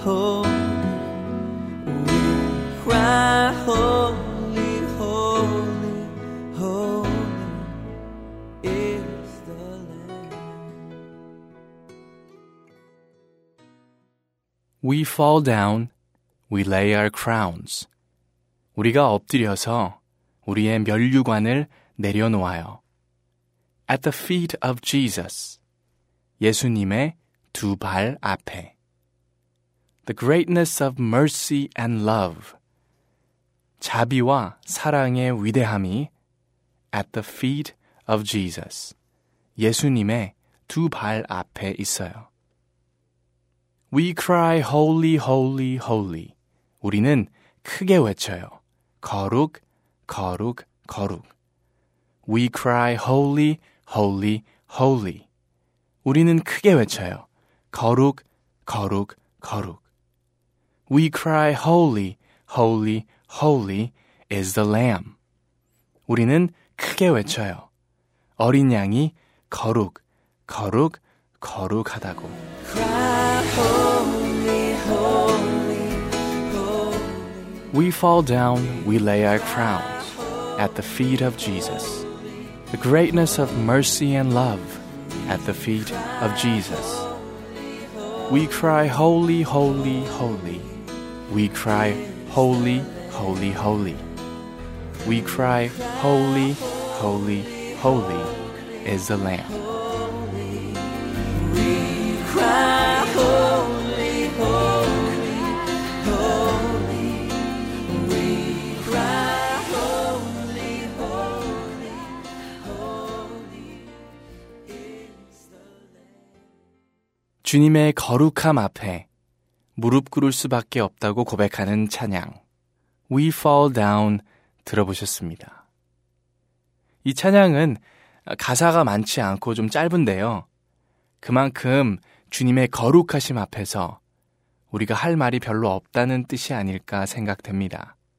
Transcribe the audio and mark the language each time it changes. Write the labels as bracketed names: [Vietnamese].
[English] We cry holy, holy, holy is the Lamb. We fall down, we lay our crowns. [Korean] 우리가 엎드려서 우리의 면류관을 내려놓아요. [English] At the feet of Jesus, [Korean] 예수님의 두 발 앞에. [English] The greatness of mercy and love, [Korean] 자비와 사랑의 위대함이 [English] at the feet of Jesus, [Korean] 예수님의 두 발 앞에 있어요. [English] We cry holy, holy, holy. [Korean] 우리는 크게 외쳐요. 거룩, 거룩, 거룩. [English] We cry holy, holy, holy. [Korean] 우리는 크게 외쳐요. 거룩, 거룩, 거룩. [English] We cry holy, holy, holy is the lamb. [Korean] 우리는 크게 외쳐요. 어린 양이 거룩, 거룩, 거룩하다고. [English] We fall down, we lay our crowns at the feet of Jesus. The greatness of mercy and love at the feet of Jesus. We cry holy, holy, holy. We cry holy, holy, holy. We cry holy, holy, holy is the Lamb. We cry holy, holy, holy. We cry holy, holy, holy is the Lamb. [Korean] 주님의 거룩함 앞에 무릎 꿇을 수밖에 없다고 고백하는 찬양 We Fall Down 들어보셨습니다. 이 찬양은 가사가 많지 않고 좀 짧은데요. 그만큼 주님의 거룩하심 앞에서 우리가 할 말이 별로 없다는 뜻이 아닐까 생각됩니다.